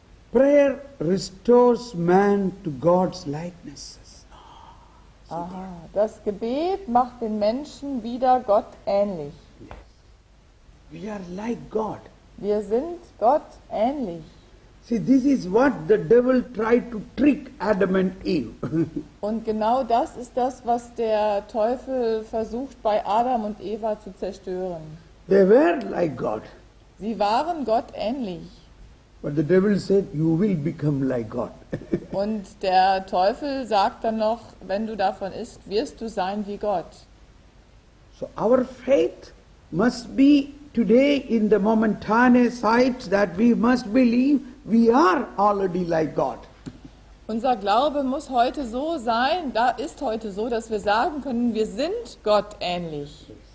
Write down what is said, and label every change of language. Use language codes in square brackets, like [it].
[en] Prayer restores man to God's likeness. [de] Aha, das Gebet macht den Menschen wieder Gott ähnlich. [en] We are like God. [de] Wir sind Gott ähnlich. [en] See, this is what the devil tried to trick Adam and Eve. [de] Und genau das ist das, was der Teufel versucht bei Adam und Eva zu zerstören. [en] They were like God. [de] Sie waren Gott ähnlich. [en] But the devil said, you will become like God. [de] Und der Teufel sagt dann noch, wenn du davon isst, wirst du sein wie Gott. [en] So our faith must be today in the momentary sight that we must believe we are already like God. [de] Unser Glaube muss heute so sein, da ist heute so, dass wir sagen können, wir sind Gott ähnlich.